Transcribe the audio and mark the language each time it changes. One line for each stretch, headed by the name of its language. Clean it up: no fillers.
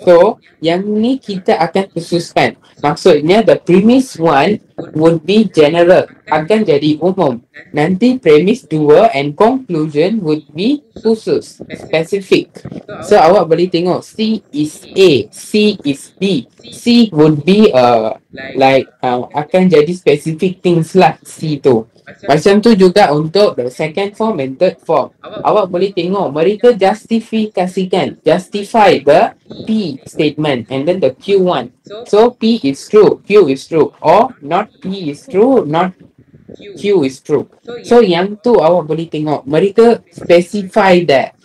Malay: So yang ni kita akan khususkan. Maksudnya
English: the premise 1 would be general,
Malay: akan jadi umum.
English: Nanti premise 2 and conclusion would be
Malay: khusus,
English: specific.
Malay: So awak boleh tengok
English: C is A, C is B. C would be
Malay: akan jadi
English: specific things lah C tu.
Malay: Macam tu juga untuk
English: the second form and third form.
Malay: Awak boleh tengok mereka justifikasikan,
English: justify the P statement and then the Q one. So P is true, Q is true, or not P is true, not Q is true.
Malay: So yang tu awak boleh tengok mereka
English: specify that.